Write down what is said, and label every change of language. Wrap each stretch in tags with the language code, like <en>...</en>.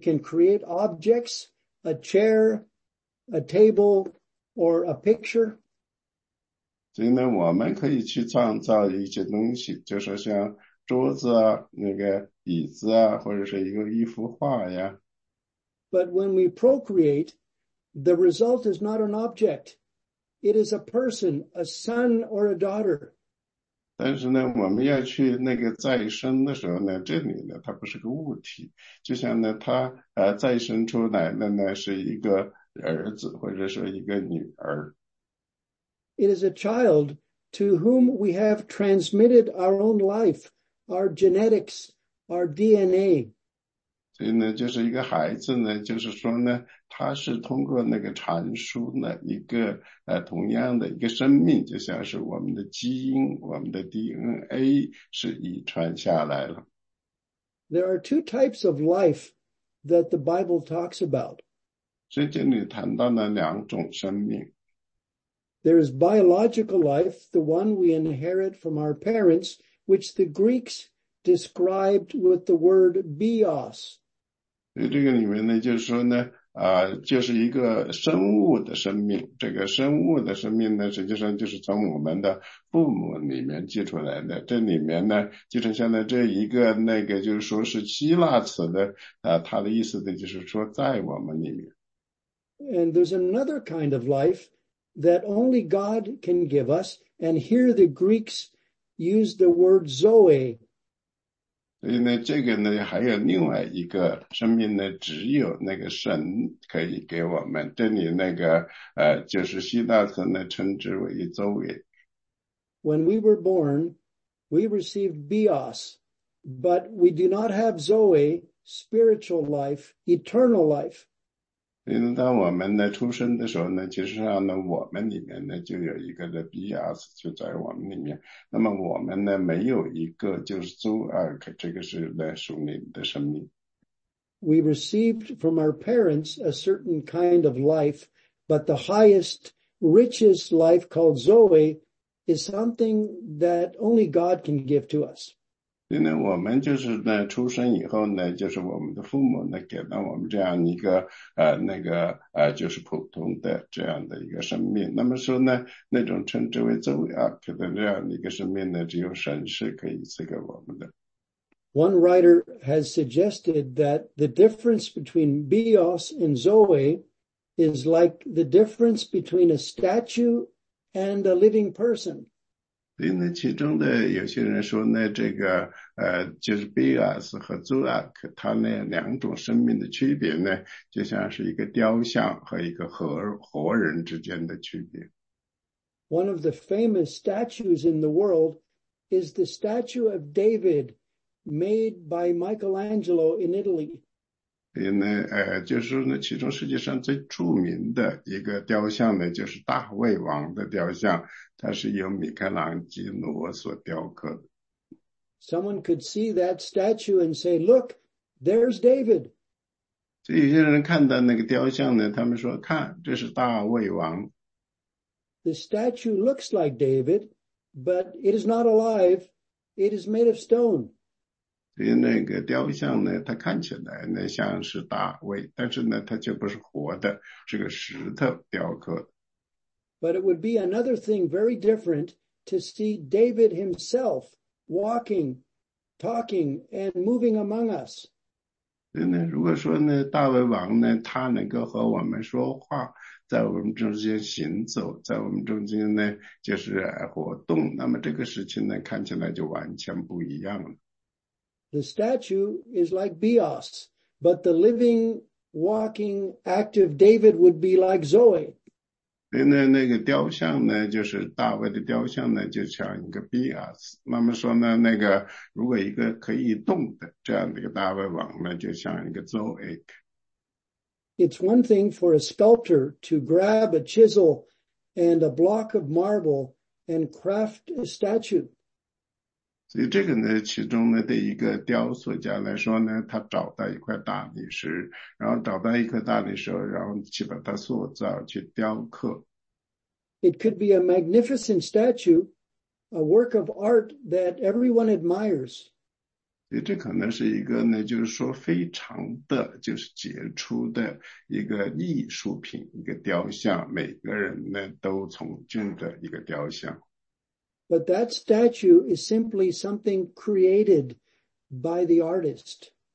<en>can create objects, a chair, a table, or a picture.</en> <zh>所以呢，我们可以去创造一些东西，就是说像桌子啊，那个椅子啊，或者是一个一幅画呀。</zh> <en>But when we procreate, the result is not an object. It is a person, a son or a daughter.</en> <zh>但是呢，我们要去那个再生的时候呢，这里呢，它不是个物体，就像呢，它再生出来的呢，是一个儿子或者说一个女儿。</zh> <en>It is a child to whom we have transmitted our own life, our genetics, our DNA.</en> <zh>所以呢，就是一个孩子呢，就是说呢，他是通过那个传输呢，一个同样的一个生命，就像是我们的基因，我们的 DNA 是遗传下来了。</zh> <en>There are two types of life that the Bible talks about.</en> <zh>所以这里谈到了两种生命。</zh> <en>There is biological life, the one we inherit from our parents, which the Greeks described with the word bios.</en> <zh>所以这个里面呢，就是说呢，就是一个生物的生命。这个生物的生命呢，实际上就是从我们的父母里面寄出来的。这里面呢，继承下来这一个那个，就是说是希腊词的，它的意思呢，就是说在我们里面。</zh> <en>And there's another kind of life that only God can give us. And here the Greeks use the word zoe.</en> <zh>所以呢，这个呢，还有另外一个生命呢，只有那个神可以给我们。这里那个就是希腊词呢，称之为zoe。</zh> <en>When we were born, we received bios, but we do not have zoe, spiritual life, eternal life.</en> <zh>因为当我们呢出生的时候呢，其实上呢，我们里面呢就有一个的 bios 就在我们里面。那么我们呢没有一个就是 zoe， 这个是来属灵的生命。</zh> <en>We received from our parents a certain kind of life, but the highest, richest life called zoe is something that only God can give to us.</en> <zh>所以呢，我们就是呢，出生以后呢，就是我们的父母呢，给了我们这样一个就是普通的这样的一个生命。那么说呢，那种称之为 zoe 的这样一个生命呢，只有神是可以赐给我们的。</zh> <en>One writer has suggested that the difference between bios and zoe is like the difference between a statue and a living person.</en> <zh>所以呢，其中的有些人说呢，这个就是 bios 和 zoe， 它那两种生命的区别呢，就像是一个雕像和一个活人之间的区别。</zh> <en>One of the famous statues in the world is the statue of David, made by Michelangelo in Italy.</en> <zh>所以呢，就是呢，其中世界上最著名的一个雕像呢，就是大卫王的雕像，它是由米开朗基罗所雕刻的。</zh> <en>Someone could see that statue and say, "Look, there's David."</en> <zh>所以有些人看到那个雕像呢，他们说：“看，这是大卫王。”</zh> <en>The statue looks like David, but it is not alive. It is made of stone.</en> <zh>所以那个雕像呢，它看起来呢像是大卫，但是呢，它却不是活的，是个石头雕刻。</zh> <en>But it would be another thing very different to see David himself walking, talking, and moving among us.</en> <zh>所以呢，如果说呢，大卫王呢，他能够和我们说话，在我们中间行走，在我们中间呢，就是活动，那么这个事情呢，看起来就完全不一样了。</zh> <en>The statue is like bios, but the living, walking, active David would be like Zoe.</en> <zh>那个雕像呢，就是大卫的雕像呢，就像一个 bios。那么说呢，那个如果一个可以动的这样的一个大卫王呢，就像一个 Zoe。</zh> <en>It's one thing for a sculptor to grab a chisel and a block of marble and craft a statue.</en> <zh>所以这个呢，其中呢，对一个雕塑家来说呢，他找到一块大理石，然后找到一块大理石，然后去把它塑造，去雕刻。</zh> <en>It could be a magnificent statue, a work of art that everyone admires.</en> <zh>所以这可能是一个呢，就是说非常的，就是杰出的一个艺术品，一个雕像，每个人呢都崇敬的一个雕像。</zh> <en>But that statue is simply something created by the artist.</en>